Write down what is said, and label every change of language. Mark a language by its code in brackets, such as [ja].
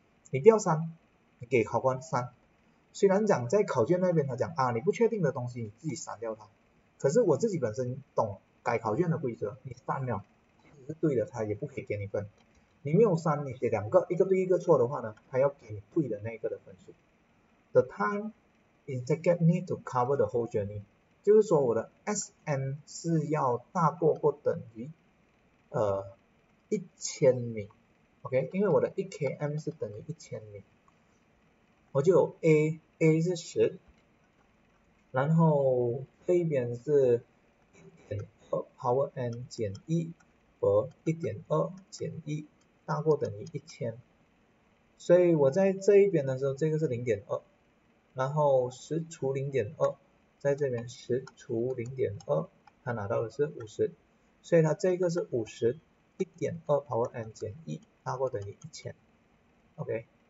[zh] 你不要删，你给考官删。虽然讲在考卷那边他讲啊，你不确定的东西你自己删掉它。可是我自己本身懂改考卷的规则，你删了，其实是对的，他也不可以给你分。你没有删，你写两个，一个对一个错的话呢，他要给你对的那个的分数。 [en] The time in second need to cover the whole journey， [zh] 就是说我的 SM 是要大过或等于1000米， [en] OK？ [zh] 因为我的 1km 是等于1000米，我就有 A 是10。然后这边是1.2 power n 减1和1.2减1，大过等于1000，所以我在这一边的时候，这个是0.2，然后十除0.2，在这边十除0.2，他拿到的是50，所以他这个是50，1.2 power n 减1，大过等于1000，OK。